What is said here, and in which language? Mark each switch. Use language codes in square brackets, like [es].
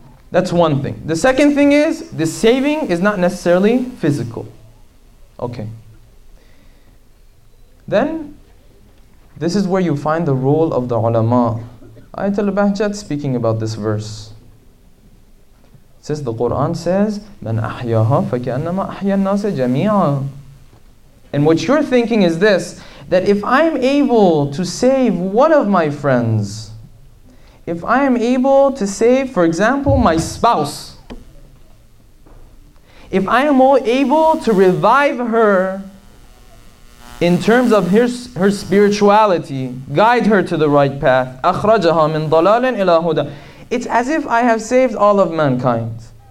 [en] That's one thing. The second thing is, the saving is not necessarily physical. Okay. Then, this is where you find the role of the ulama. Ayatul Bahjat speaking about this verse. It says, the Quran says, [ar] مَنْ أَحْيَاهَا فَكَأَنَّمَا أَحْيَى النَّاسَ جَمِيعًا. [en] And what you're thinking is this, that if I'm able to save one of my friends, If I am able to save, for example, my spouse, if I am able to revive her in terms of her spirituality, guide her to the right path, [ar] أَخْرَجَهَا مِنْ ضَلَالٍ إِلَىٰ هُدَىٰ, [en] it's as if I have saved all of mankind.